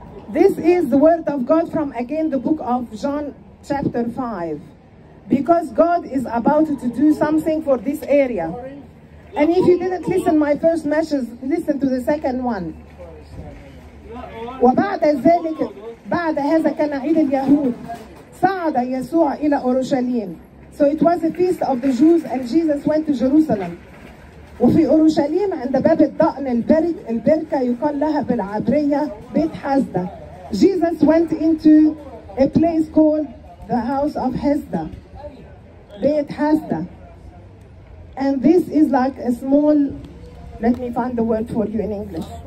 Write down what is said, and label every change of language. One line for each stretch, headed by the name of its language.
English: This is the word of God from, again, the book of John chapter 5. Because God is about to do something for this area. And if you didn't listen my first message, listen to the second one.
Arabic: وبعد ذلك بعد هذا كان عيد اليهود صعد يسوع إلى أورشليم.
English: So it was a feast of the Jews and Jesus went to Jerusalem.
Arabic: وفي أورشليم عند باب الضأن البركة يقال لها بالعبرية بيت حزدة.
English: Jesus went into a place called the house of Hesda, Beit Hesda. And this is like a small, let me find the word for you in English.